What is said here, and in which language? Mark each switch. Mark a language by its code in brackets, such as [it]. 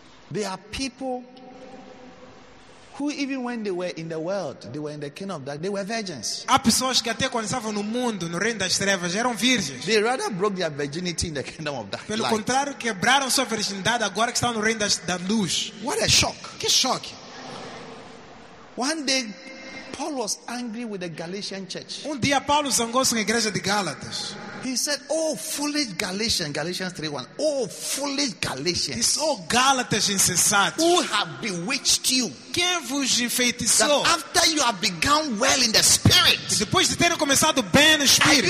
[en] There are people who even when they were in the world, they were in the kingdom of darkness, they were virgins. [pt] Há pessoas que até quando estavam no mundo, no reino das trevas, eram virgens. [en] They rather broke their virginity in the kingdom of darkness. [pt] Pelo contrário, quebraram sua virgindade agora que estão no reino da luz. [en] What a shock. [pt] Que choque. [en] One day, Paul was angry with the Galatian church. [pt] Um dia, Paulo zangou-se com a igreja de Gálatas. [en] He said, oh, foolish Galatians, Galatians 3:1. Oh, foolish Galatians. [pt] Disse, oh, Galatians insensatos. [en] Who have bewitched you? [pt] Quem vos enfeitiçou? [en] That after you have begun well in the spirit. [pt] E depois de terem começado bem no espírito.